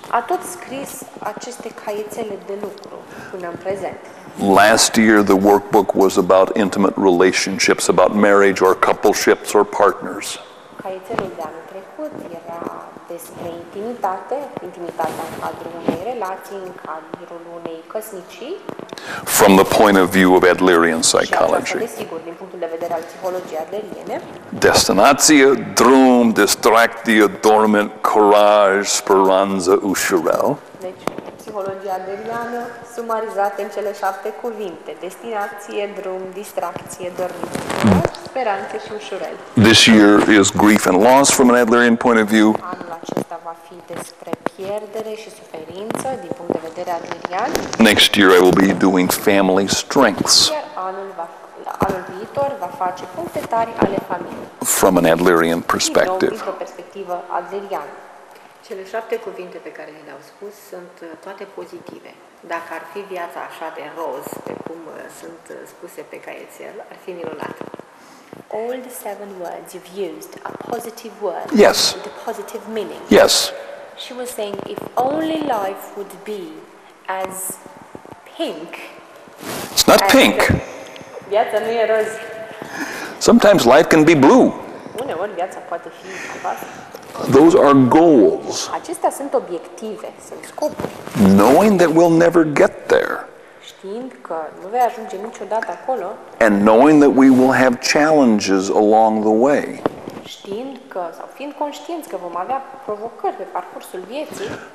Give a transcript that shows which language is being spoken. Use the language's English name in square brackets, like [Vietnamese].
[Romanian] A tot scris aceste caietele de lucru până în prezent. [English] Last year the workbook was about intimate relationships, about marriage or coupleships or partners. [Romanian] Caietele de anul trecut era despre intimitate, intimitatea în cadrul unei relații, în cadrul unei căsnicii. [English] From the point of view of Adlerian psychology. [Romanian] Și desigur, din punctul de vedere al psihologiei adleriene. Destinație, drum, distractio, dormant, courage, speranza, ușurel. Deci, psihologia adleriană sumarizată în cele șapte cuvinte. Destinație, drum, distracție, dormit, speranță și ușurel. [English] This year is grief and loss from an Adlerian point of view. [Romanian] Anul acesta va fi despre pierdere și suferință din punct de vedere adlerian. [English] Next year I will be doing family strengths. [Romanian] Anul viitor va face puncte tari ale familiei. [English] From an Adlerian perspective. [Romanian] Din o perspectivă adleriană. Cele șapte cuvinte pe care le-au spus sunt toate pozitive. Dacă ar fi viața așa de roz, pe cum sunt spuse pe caietel, ar fi minunat. [English] All the seven words you've used are positive words. Yes. With a positive meaning. Yes. She was saying, if only life would be as pink. It's not pink. [Romanian] Viața nu e roz. [English] Sometimes life can be blue. [Romanian] Uneori viața poate fi albastră. [English] Those are goals. [Romanian] Acestea sunt obiective, sunt scopuri. [English] Knowing that we'll never get there. [Romanian] Știind că nu vei ajunge niciodată acolo. [English] And knowing that we will have challenges along the way. [Romanian] Știind că, sau fiind conștienți că vom avea provocări pe parcursul vieții.